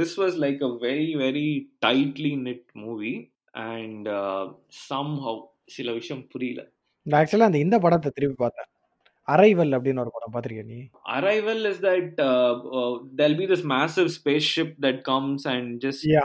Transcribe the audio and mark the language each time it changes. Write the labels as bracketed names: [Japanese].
[English] This was like a very, very tightly knit movie. And somehow, [Tamil] சில விஷயம் புரியல. Actually, அந்த இந்த படத்தை திருப்பி பார்த்தேன். Arrival அப்படின்னு ஒரு படம் பார்த்திருக்கேன் நீ? [English] Arrival is that there'll be this massive spaceship that comes and just...